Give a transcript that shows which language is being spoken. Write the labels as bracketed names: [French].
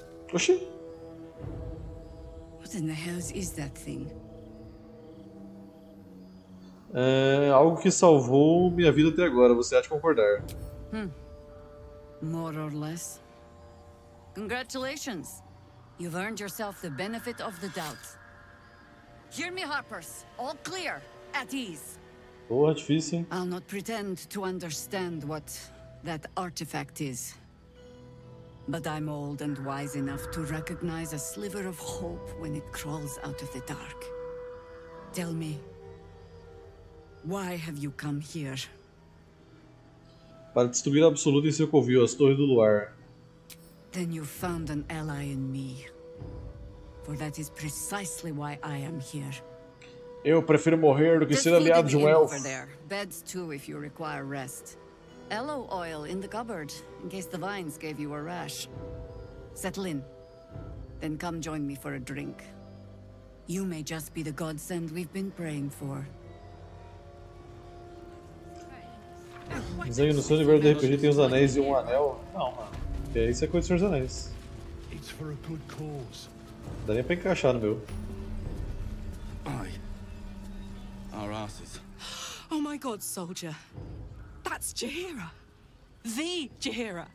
[English] Oxi! What in the hell is that thing? [Portuguese] É algo que salvou minha vida até agora, você há de concordar. [English] More or less. Congratulations. You've earned yourself the benefit of the doubt. Hear me, Harpers. All clear. At ease. [Portuguese] Boa, difícil. [English] I'll not pretend to understand what that artifact is. But I'm old and wise enough to recognize a sliver of hope when it crawls out of the dark. Tell me. Why have you come here? [Portuguese] Para destruir a absoluta em seu covil, as torres do luar. [English] Then you found an ally in me. For that is precisely why I am here. [Portuguese] Eu prefiro morrer do que ser aliado de um elfo. [English] Beds too, if you require rest. Aloe oil in the cupboard, in case the vines gave you a rash. Settle in. Then come join me for a drink. You may just be the godsend we've been praying for. [Portuguese] Zhang, no seu universo de RPG tem os anéis e um anel? Não, mano. E aí você é coisa dos anéis. Dá nem pra encaixar no meu. [English] Ai. Our asses. Oh my god, soldier. That's Jahira. The Jahira.